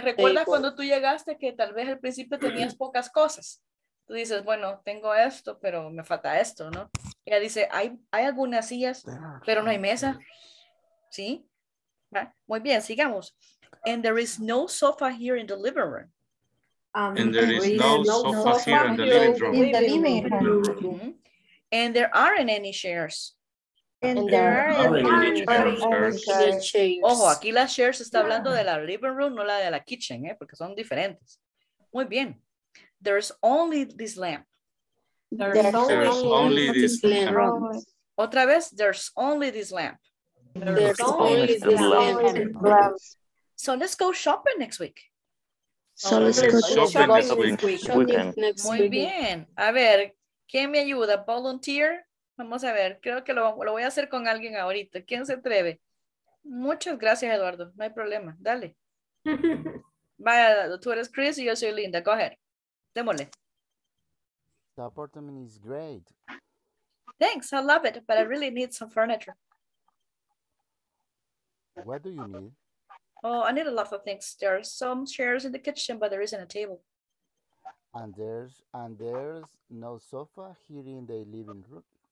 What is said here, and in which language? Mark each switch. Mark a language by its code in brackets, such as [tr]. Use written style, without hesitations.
[es] recuerdas cuando tú llegaste que tal vez al principio tenías pocas cosas? Tú dices, bueno, tengo esto, pero me falta esto, ¿no? Ella dice, hay algunas sillas, pero no hay mesa. ¿Sí? ¿Va? Muy bien, sigamos. [en] And there is no sofa here in the living room. And there aren't any chairs. [es] Ojo, aquí las chairs está hablando de la living room, no la de la kitchen, porque son diferentes. Muy bien. [en] There's only this lamp. There's only this lamp. [es] Otra vez, [en] there's only this lamp. There's only this lamp. So let's go shopping next week. So let's go shopping next week. [es] Muy bien. A ver, ¿quién me ayuda? Volunteer. Vamos a ver, creo que lo voy a hacer con alguien ahorita. ¿Quién se atreve? Muchas gracias, Eduardo. No hay problema. Dale. Vaya, tú eres Chris y yo soy Linda. [en] Go ahead. [es] Démosle. [en] The apartment is great. Thanks, I love it, but I really need some furniture. What do you need? Oh, I need a lot of things. There are some chairs in the kitchen, but there isn't a table. And there's no sofa here in the living room.